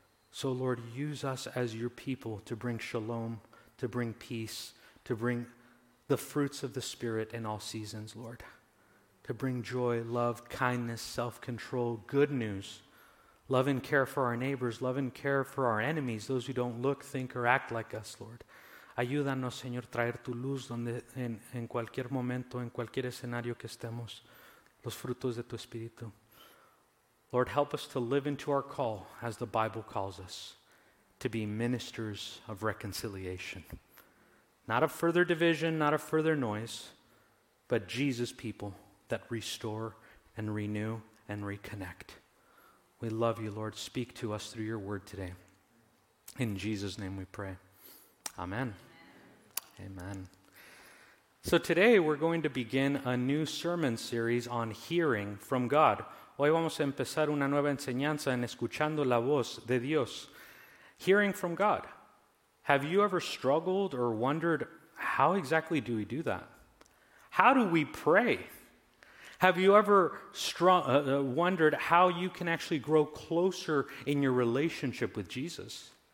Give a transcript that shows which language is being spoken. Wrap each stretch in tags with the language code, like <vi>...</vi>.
<en>So, Lord, use us as your people to bring shalom, to bring peace, to bring the fruits of the Spirit in all seasons, Lord. To bring joy, love, kindness, self-control, good news, love and care for our neighbors, love and care for our enemies, those who don't look, think, or act like us, Lord.</en> <es>Ayúdanos, Señor, traer tu luz donde en cualquier momento, en cualquier escenario que estemos, los frutos de tu Espíritu.</es> <en>Lord, help us to live into our call, as the Bible calls us, to be ministers of reconciliation. Not of further division, not of further noise, but Jesus' people that restore and renew and reconnect. We love you, Lord. Speak to us through your word today. In Jesus' name we pray. Amen. Amen. Amen. So today we're going to begin a new sermon series on hearing from God.</en> <es>Hoy vamos a empezar una nueva enseñanza en escuchando la voz de Dios.</es> <en>Hearing from God. Have you ever struggled or wondered, how exactly do we do that? How do we pray? Have you ever wondered how you can actually grow closer in your relationship with Jesus?</en>